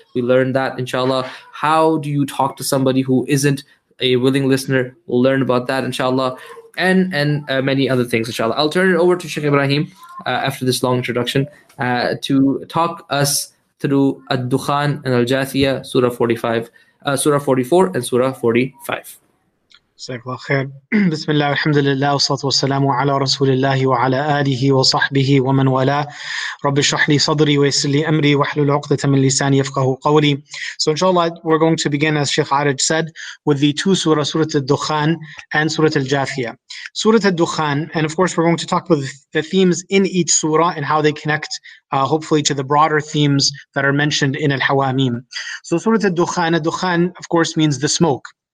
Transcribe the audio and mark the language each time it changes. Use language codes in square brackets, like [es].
[en] We learn that, inshallah. How do you talk to somebody who isn't a willing listener? We'll learn about that, inshallah, and many other things, inshallah. I'll turn it over to Sheikh Ibrahim after this long introduction to talk us through Ad-Dukhan and Al-Jathiyah, Surah 44 and Surah 45. [ar] بسم الله والحمد لله والصلاة والسلام على رسول الله وعلى آله وصحبه ومن والاه رب اشرح لي صدري ويسر لي أمري واحلل عقدة من لساني يفقه قولي. [en] So inshallah we're going to begin, as Sheikh Araj said, with the two surahs, Surah Ad-Dukhan and Surah Al-Jathiyah. Surah Ad-Dukhan, and of course we're going to talk with the themes in each surah and how they connect hopefully to the broader themes that are mentioned in Al-Hawamim. So Surah Ad-Dukhan, Ad-Dukhan of course means the smoke.